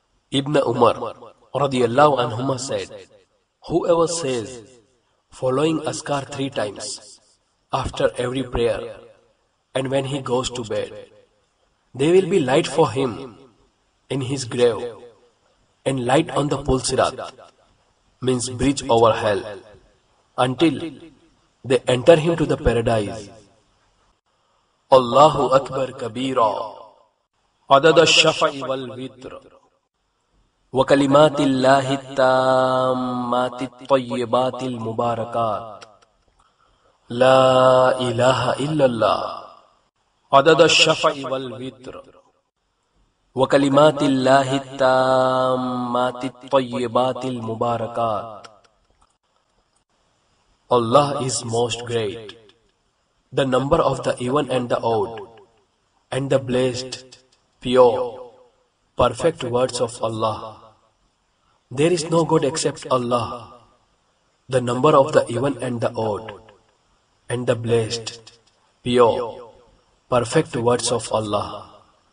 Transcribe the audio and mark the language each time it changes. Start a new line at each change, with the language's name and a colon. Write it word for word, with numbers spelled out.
English: Ibn Umar radiyallahu anhuma said, whoever says following Askar three times after every prayer and when he goes to bed, there will be light for him in his grave and light on the pole sirat, means bridge over hell, until they enter him to the paradise.
Arabic: Allahu Akbar Kabira, عدد الشفع والوتر وكلمات الله التامات الطيبات المباركات لا إله إلا الله. عدد الشفع والوتر وكلمات الله التامات الطيبات المباركات.
English: Allah is most great, the number of the even and the odd, and the blessed, pure, perfect words of Allah. There is no God except Allah, the number of the even and the odd, and the blessed, pure, perfect words of Allah.